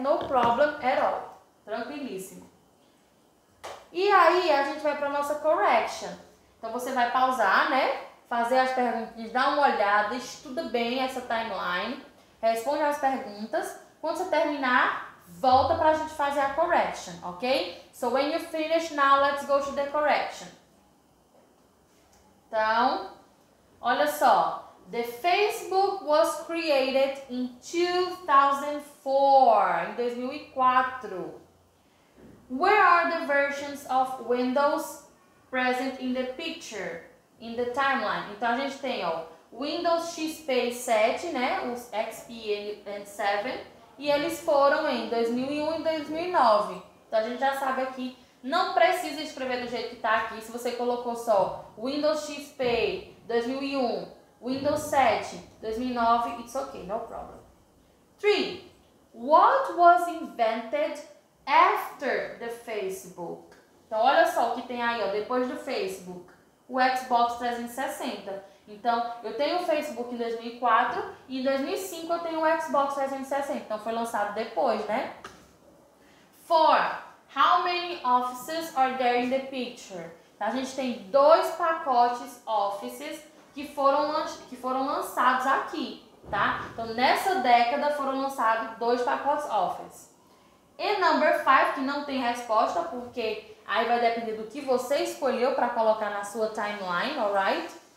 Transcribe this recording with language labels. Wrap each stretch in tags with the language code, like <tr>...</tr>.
<en>No problem at all.</en> <pt>Tranquilíssimo. E aí, a gente vai pra nossa correction. Então, você vai pausar, né? Fazer as perguntas, dá uma olhada, estuda bem essa timeline, responde as perguntas. Quando você terminar, volta para a gente fazer a correction, ok?</pt> <en>So, when you finish, now let's go to the correction.</en> <pt>Então, olha só.</pt> <en>The Facebook was created in 2004.</en> <pt>Em 2004.</pt> <en>Where are the versions of Windows present in the picture, in the timeline?</en> <pt>Então, a gente tem, ó, Windows XP 7, né, os XP and 7, e eles foram em 2001 e 2009. Então, a gente já sabe aqui, não precisa escrever do jeito que tá aqui, se você colocou só Windows XP 2001, Windows 7, 2009,</pt> <en>it's okay, no problem.</en> <pt>3.</pt> <en>What was invented after the Facebook?</en> <pt>Então, olha só o que tem aí, ó, depois do Facebook, o Xbox 360. Então, eu tenho o Facebook em 2004 e em 2005 eu tenho o Xbox 360. Então, foi lançado depois, né? 4.</pt> <en>4. How many offices are there in the picture?</en> <pt>A gente tem dois pacotes offices que foram lançados aqui, tá? Então, nessa década foram lançados dois pacotes offices. E number 5, que não tem resposta, porque aí vai depender do que você escolheu para colocar na sua timeline, alright?</pt>